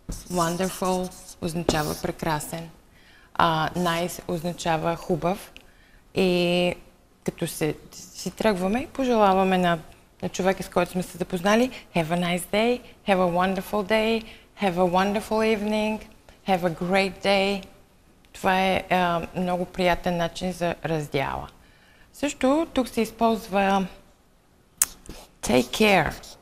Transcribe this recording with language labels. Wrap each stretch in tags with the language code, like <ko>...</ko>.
<bg>Wonderful означава прекрасен. Nice означава хубав. И като си тръгваме, пожелаваме на човека, с който сме се запознали,</bg> <en>have a nice day, have a wonderful day, have a wonderful evening, have a great day.</en> <bg>Това е много приятен начин за раздяла. Също тук се използва</bg> <en>take care.</en>